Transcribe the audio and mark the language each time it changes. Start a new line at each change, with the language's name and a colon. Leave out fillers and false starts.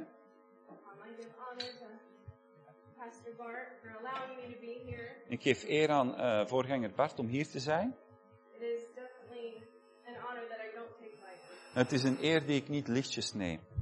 English: I give honor to Pastor Bart for allowing me to be here.
Dutch: Ik geef eer aan voorganger Bart om hier te zijn.
English: It is definitely an honor that I don't take lightly.
Dutch: Het is een eer die ik niet lichtjes neem.